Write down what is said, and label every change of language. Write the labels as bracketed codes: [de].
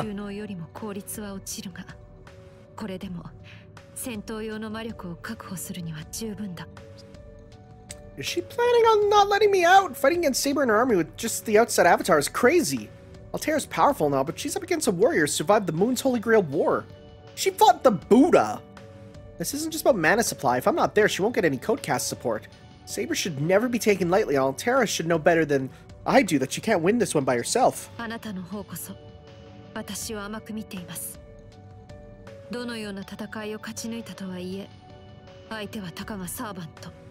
[ja] 指輪の収納よりも効率は落ちるが、これでも戦闘用の魔力を確保するには十分だ。 [en] Is she planning on not letting me out? Fighting against Saber and her army with just the outside avatar is crazy. Altair is powerful now, but she's up against a warrior who survived the Moon's Holy Grail War. She fought the Buddha. This isn't just about mana supply. If I'm not there, she won't get any code cast support. Saber should never be taken lightly. Altair should know better than I do that she can't win this one by herself. [ja] あなたの方こそ、私を甘く見ています。どのような戦いを勝ち抜いたとはいえ、相手はたかがサーバント。